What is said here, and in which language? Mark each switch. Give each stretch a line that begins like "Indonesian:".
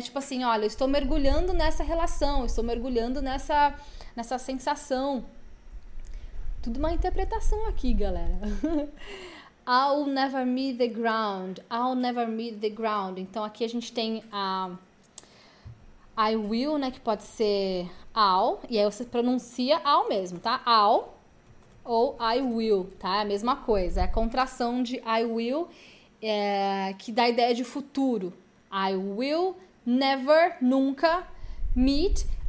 Portuguese: Tipo assim, olha, eu estou mergulhando nessa relação, estou mergulhando nessa sensação. Tudo uma interpretação aqui, galera.
English: I'll never meet the ground. I'll never meet the ground.
Portuguese: Então aqui a gente tem a I will, né? Que pode ser I'll, e aí você pronuncia I'll mesmo, tá? I'll ou I will, tá? É a mesma coisa. É a contração de I will. Que dá a ideia de futuro.
English: I will never,
Portuguese: nunca,
English: meet.